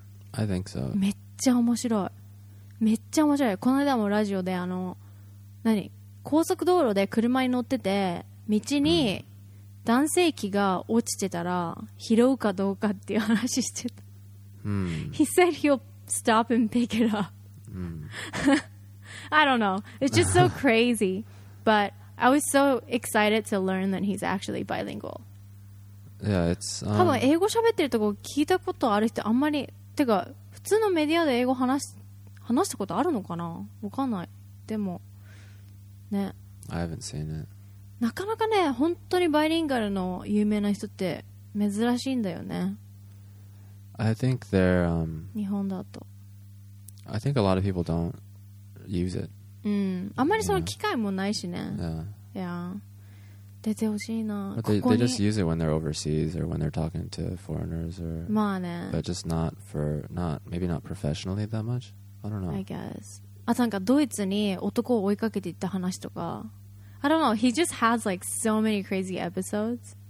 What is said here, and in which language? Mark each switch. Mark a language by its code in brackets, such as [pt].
[en] I think so [ja] めっちゃ面白いめっちゃ面白いこの間もラジオで何高速道路で車に乗ってて道に男性器が落ちてたら拾うかどうかっていう話してた、 mm. [en] He said he'll stop and pick it up、 mm. I don't know. It's just so crazy. But I was so excited to learn that he's actually bilingual. Yeah, it's... [ja] 多分英語喋ってるとこ聞いたことある人あんまり、てか普通のメディアで英語話したことあるのかな？わかんない。でもね。 [en] I haven't seen it。 [ja] なかなかね、本当にバイリンガルの有名な人って珍しいんだよね。 [en] I think they're [ja] 日本だと。 [en] I think a lot of people don't use it。 [ja] うん、あんまりその機会もないしね。 [en] Yeah。 Yeah。 [ja] 出てほしいな。 [en] But they just use it when they're overseas or when they're talking to foreigners or. [ja] まあね。 [en] But just not for not maybe not professionally that much. I don't know. I guess. [ja] あ、なんかドイツに男を追いかけて行った話とか。 [en] I don't know. He just has like so many crazy episodes.、